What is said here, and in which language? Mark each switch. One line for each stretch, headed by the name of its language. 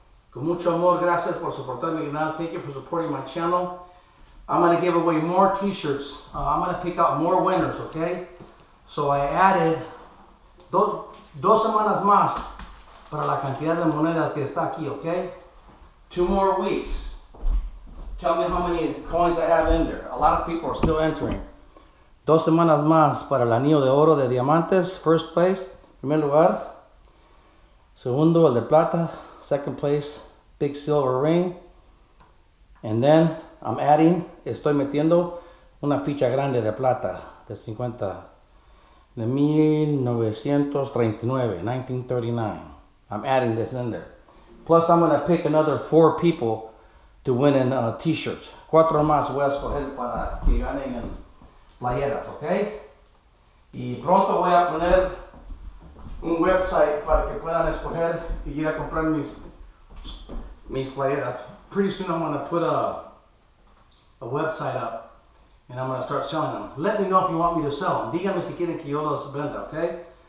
Spanish: Con mucho amor, gracias por soportar mi canal.
English: Thank you for supporting my channel. I'm gonna give away more t-shirts. I'm gonna pick out more winners, okay? So I added
Spanish: dos semanas más para la cantidad de monedas que está aquí, okay?
English: Two more weeks. Tell me how many coins I have in there. A lot of people are still entering.
Spanish: Dos semanas más para el anillo de oro de diamantes.
English: First place,
Spanish: primer lugar. Segundo, el de plata.
English: Second place, big silver ring. And then I'm adding,
Spanish: estoy metiendo una ficha grande de plata de 50, de 1939.
English: I'm adding this in there. Plus, I'm going to pick another four people to win in t-shirts.
Spanish: Cuatro más voy a escoger para que ganen en playeras, ¿ok? Y pronto voy a poner un website para que puedan escoger y ir a comprar mis playeras.
English: Pretty soon I'm going to put a website up and I'm going to start selling them. Let me know if you want me to sell them.
Spanish: Dígame si quieren que yo los venda, ¿ok?